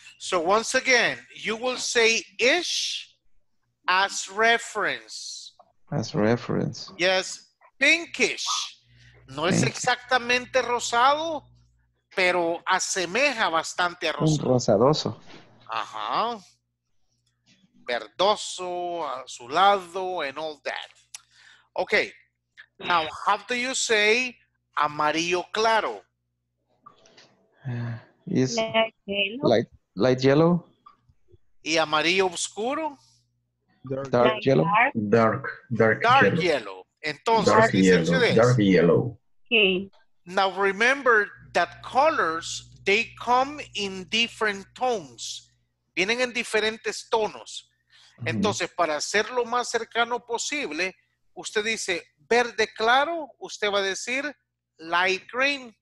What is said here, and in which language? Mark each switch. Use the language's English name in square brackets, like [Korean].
[English] So once again, you will say ish as reference. As reference. Yes. Pinkish. [Spanish] No es exactamente rosado, pero asemeja bastante a rosado. Un rosadoso. [English] Ajá. [Spanish] Verdoso, azulado, [English] and all that. Okay. Now, how do you say [Spanish] amarillo claro? [English] Is light yellow. [Spanish] Y amarillo oscuro? [English] Dark yellow. Dark yellow. [Spanish] Entonces, [English] dark yellow. Dark yellow. Now remember that colors, they come in different tones. [Spanish] Vienen en diferentes tonos. Entonces, para ser lo más cercano posible, usted dice verde claro, usted va a decir [English] light green.